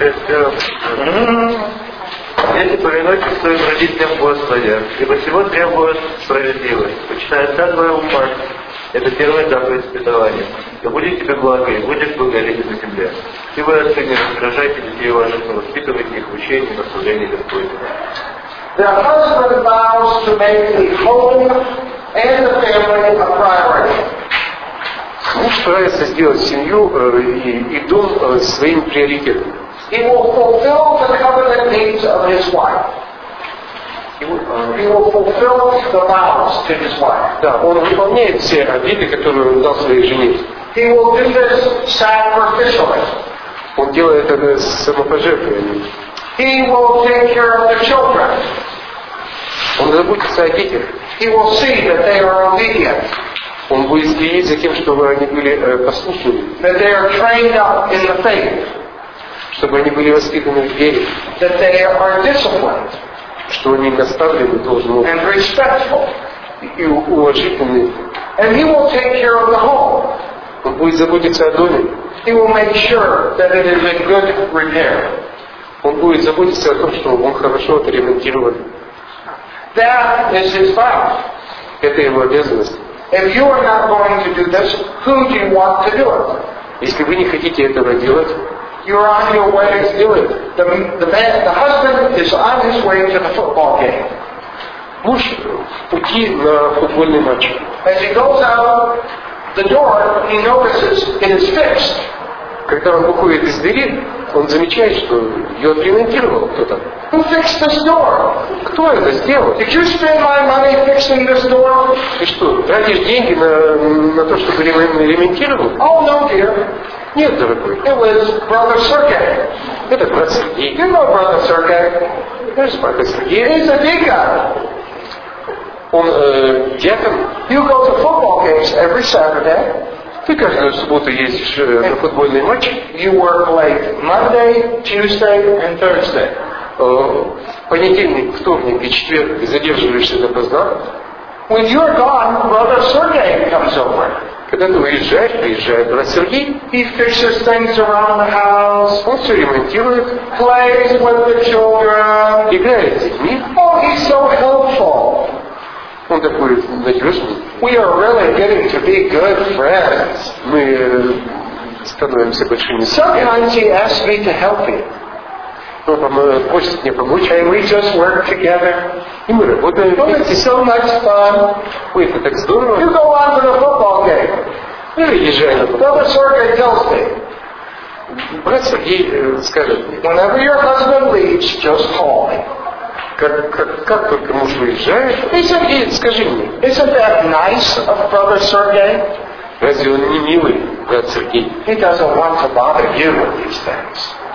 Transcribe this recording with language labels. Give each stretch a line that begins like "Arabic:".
Russian: Дети, повинуйтесь своим родителям Господа, ибо всего требует справедливость. Почитай отца твоего и мать. Это первое заповедь испытания. Да будет тебе благо, и будешь благолепен на земле. Ты вы отцы, не раздражайте детей ваших, но воспитывайте их в учении и на служении Господне.
English: The husband vows to make the home and the family a priority.
Russian: Муж старается сделать семью и дом своим приоритетом.
English: He will fulfill the covenant needs of his wife. He will fulfill the vows to his wife.
Russian: Да, он выполняет все обеты, которые он дал своей жене.
English: He will do this sacrificially.
Russian: Он делает это с самопожертвованием.
English: He will take care of the children.
Russian: Он заботится о детях.
English: He will see that they are obedient.
Russian: Он будет следить за тем, чтобы они были послушными.
English: That they are trained up in the faith.
Russian: Чтобы они были воспитаны в вере.
English: That they are disciplined.
Russian: Что они наставлены должны быть.
English: And respectful.
Russian: И уважительны.
English: And he will take care of the home.
Russian: Он будет заботиться о доме.
English: He will make sure that it is in good repair.
Russian: Он будет заботиться о том, чтобы он хорошо отремонтирован.
English: That is his vow.
Russian: Это его обязанность.
English: If you are not going to do this, who do you want to do it?
Russian: Если вы не хотите этого делать,
English: you are on your way to do it. The husband is on his way to the football game.
Russian: Муж в пути на футбольный матч.
English: As he goes out the door, he notices it is fixed.
Russian: Когда он выходит из двери, он замечает, что ее отремонтировал кто-то.
English: Who fixed this door?
Russian: Кто это сделал?
English: Did you spend my money fixing this door?
Russian: Ты что, тратишь деньги на то, чтобы ремонтировал?
English: Oh, no, dear.
Russian: Нет, дорогой.
English: It was brother Sergei.
Russian: Это брат Сергей.
English: You know brother Sergei. There's brother Sergei. He's a deacon.
Russian: Он диакон.
English: You go to football games every Saturday.
Russian: Ты каждую субботу ездишь на футбольный матч.
English: You work like Monday, Tuesday and Thursday.
Russian: Понедельник, вторник и четверг задерживаешься допоздна.
English: When you're gone, brother Sergei comes over.
Russian: Когда ты уезжаешь, приезжает брат Сергей.
English: He fixes things around the house.
Russian: Он все ремонтирует.
English: Plays with the children.
Russian: Играет с детьми.
English: Oh, he's so helpful.
Russian: Он такой надежный.
English: We are really getting to be good friends.
Russian: Мы становимся большими.
English: Sometimes he asks me to help him.
Russian: Он просит мне помочь.
English: And we just work together.
Russian: И мы работаем вместе.
English: Oh, it's so much fun.
Russian: Ой, это так здорово.
English: You go on to the football game.
Russian: Ну, езжай на футбол.
English: Brother Sergei tells me.
Russian: Брат Сергей скажет,
English: whenever your husband leaves, just call me.
Russian: Как только муж выезжает, скажи мне.
English: Isn't that nice of brother Sergei?
Russian: Разве он не милый, брат Сергей?
English: He doesn't want to bother you with these things.